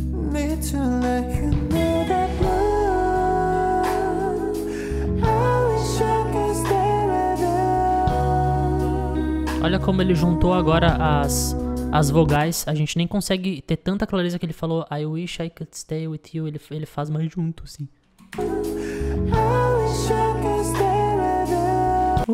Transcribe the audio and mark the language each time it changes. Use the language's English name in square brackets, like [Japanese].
[English] Need to let you know that love. I wish I could stay with you. [Portuguese] Olha como ele juntou agora as vogais. A gente nem consegue ter tanta clareza que ele falou [English] I wish I could stay with you. [Portuguese] Ele faz mais junto, assim. [English] I wish I could stay with you.